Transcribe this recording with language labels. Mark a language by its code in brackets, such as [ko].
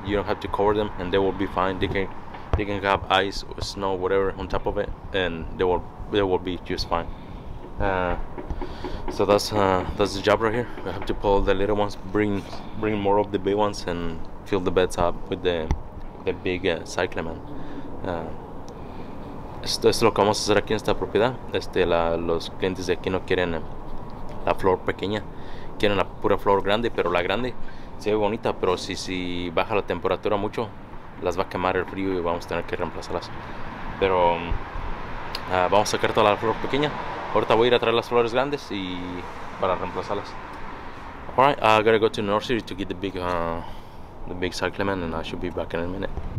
[en] You don't have to cover them, and they will be fine. They can have ice or snow, whatever, on top of it, and they will be just fine. So that's the job right here. We have to pull the little ones, bring more of the big ones, and fill the beds up with the big cyclamen. [es] Esto es lo que vamos a hacer aquí en esta propiedad. Los clientes de aquí no quieren la flor pequeña. Quieren la pura flor grande, pero la grande se ve bonita, pero si baja la temperatura mucho, las va a quemar el frío y vamos a tener que reemplazarlas. Pero vamos a sacar toda la flor pequeña. Ahorita voy a ir a traer las flores grandes y para reemplazarlas. [en] Alright, I gotta go to the nursery to get the big cyclamen, and I should be back in a minute.